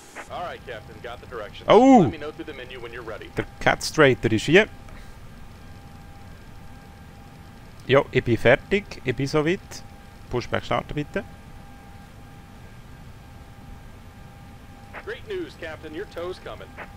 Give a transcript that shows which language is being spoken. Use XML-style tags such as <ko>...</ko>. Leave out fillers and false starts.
<en>Alright, Captain, got the direction. Oh! Let me know through the menu when you're ready.</en> <de>Der Cat Straighter ist hier. Ja, ich bin fertig, ich bin soweit. Pushback starten bitte.</de> <en>Great news, Captain, your tow's coming.</en>